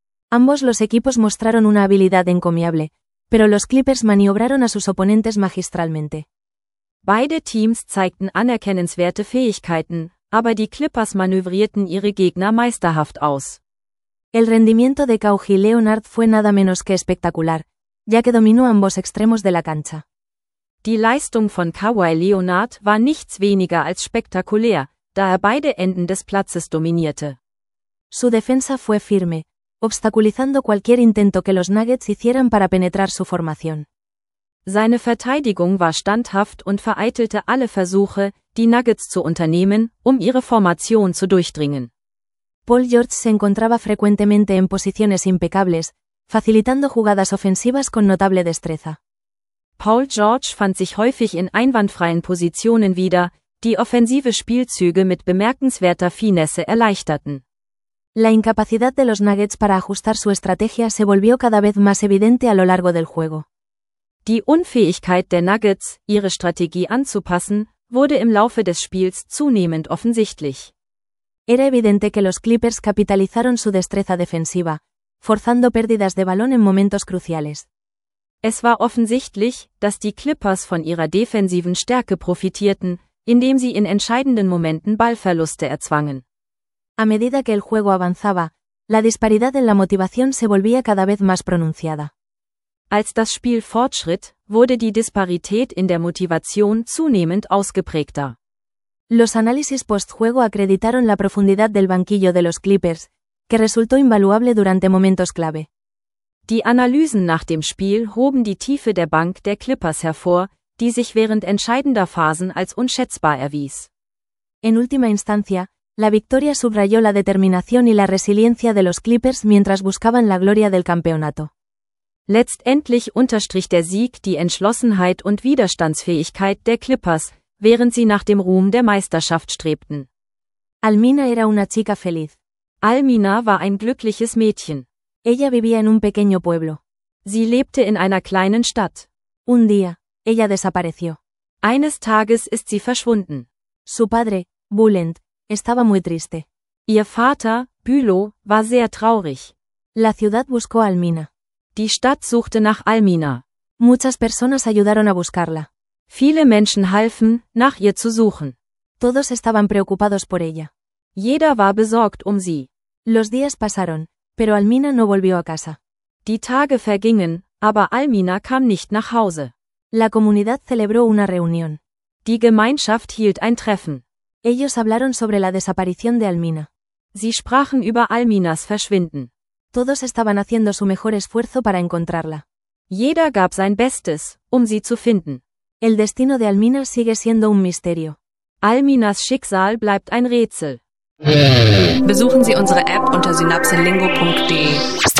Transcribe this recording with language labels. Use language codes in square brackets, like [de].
[es] Ambos los equipos mostraron una habilidad encomiable, pero los Clippers maniobraron a sus oponentes magistralmente. [de] Beide Teams zeigten anerkennenswerte Fähigkeiten, aber die Clippers manövrierten ihre Gegner meisterhaft aus. [es] El rendimiento de Kawhi Leonard fue nada menos que espectacular, ya que dominó ambos extremos de la cancha. [de] Die Leistung von Kawhi Leonard war nichts weniger als spektakulär, da er beide Enden des Platzes dominierte. [es] Su defensa fue firme, obstaculizando cualquier intento que los Nuggets hicieran para penetrar su formación. [de] Seine Verteidigung war standhaft und vereitelte alle Versuche, die Nuggets zu unternehmen, um ihre Formation zu durchdringen. [es] Paul George se encontraba frecuentemente en posiciones impecables, facilitando jugadas ofensivas con notable destreza. [de] Paul George fand sich häufig in einwandfreien Positionen wieder, die offensive Spielzüge mit bemerkenswerter Finesse erleichterten. [es] La incapacidad de los Nuggets para ajustar su estrategia se volvió cada vez más evidente a lo largo del juego. [de] Die Unfähigkeit der Nuggets, ihre Strategie anzupassen, wurde im Laufe des Spiels zunehmend offensichtlich. [es] Era evidente que los Clippers capitalizaron su destreza defensiva, forzando pérdidas de balón en momentos cruciales. [de] Es war offensichtlich, dass die Clippers von ihrer defensiven Stärke profitierten, indem sie in entscheidenden Momenten Ballverluste erzwangen. [es] A medida que el juego avanzaba, la disparidad en la motivación se volvía cada vez más pronunciada. [de] Als das Spiel fortschritt, wurde die Disparität in der Motivation zunehmend ausgeprägter. [es] Los análisis post-juego acreditaron la profundidad del banquillo de los Clippers, que resultó invaluable durante momentos clave. [de] Die Analysen nach dem Spiel hoben die Tiefe der Bank der Clippers hervor, die sich während entscheidender Phasen als unschätzbar erwies. [es] En última instancia, la victoria subrayó la determinación y la resiliencia de los Clippers mientras buscaban la gloria del campeonato. [de] Letztendlich unterstrich der Sieg die Entschlossenheit und Widerstandsfähigkeit der Clippers, während sie nach dem Ruhm der Meisterschaft strebten. [es] Almina era una chica feliz. [de] Almina war ein glückliches Mädchen. [es] Ella vivía en un pequeño pueblo. [de] Sie lebte in einer kleinen Stadt. [es] Un día, ella desapareció. [de] Eines Tages ist sie verschwunden. [es] Su padre, Bülent, estaba muy triste. [de] Ihr Vater, Bülow, war sehr traurig. [es] La ciudad buscó a Almina. [de] Die Stadt suchte nach Almina. [es] Muchas personas ayudaron a buscarla. [de] Viele Menschen halfen, nach ihr zu suchen. [es] Todos estaban preocupados por ella. [de] Jeder war besorgt um sie. [es] Los días pasaron, pero Almina no volvió a casa. [de] Die Tage vergingen, aber Almina kam nicht nach Hause. [es] La comunidad celebró una reunión. [de] Die Gemeinschaft hielt ein Treffen. [es] Ellos hablaron sobre la desaparición de Almina. [de] Sie sprachen über Alminas Verschwinden. [es] Todos estaban haciendo su mejor esfuerzo para encontrarla. [de] Jeder gab sein Bestes, um sie zu finden. [es] El destino de Almina sigue siendo un misterio. [de] Alminas Schicksal bleibt ein Rätsel. Besuchen Sie unsere App unter synapselingo.de.